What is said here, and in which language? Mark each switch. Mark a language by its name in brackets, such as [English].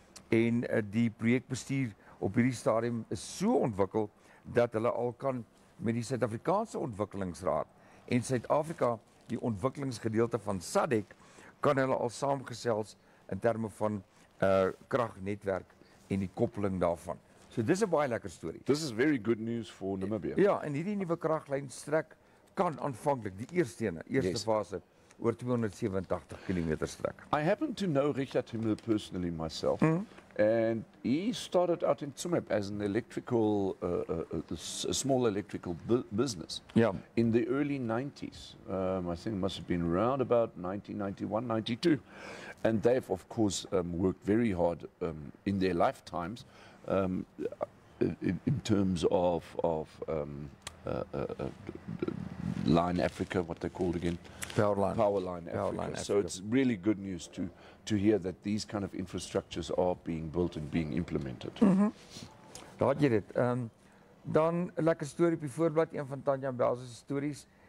[Afrikaans] En die projekbestuur op hierdie stadium is so ontwikkel dat hulle al kan met die Suid-Afrikaanse Ontwikkelingsraad en Suid-Afrika, die ontwikkelingsgedeelte van SADC, kan hulle al saamgesels in terme van kragnetwerk en die koppeling daarvan. So dis 'n baie lekker storie. [English] This is very good news for Namibia. [Afrikaans] Ja, en hierdie nuwe kraglyn strek kan aanvanklik die eerste fase oor 287 kilometer strek. [English] I happen to know Richard Himmel personally myself. Mm-hmm. And he started out in Tsumeb as an electrical, a small electrical business. Yeah. In the early 90s, I think it must have been around about 1991, 92. And they've, of course, worked very hard in their lifetimes in terms of Line Africa, what they called again? Power Line Africa. So it's really good news to hear that these kind of infrastructures are being built and being implemented. [Afrikaans] Daar het jy dit. Dan lekker storie op die voorblad, een van Tanya Belse stories.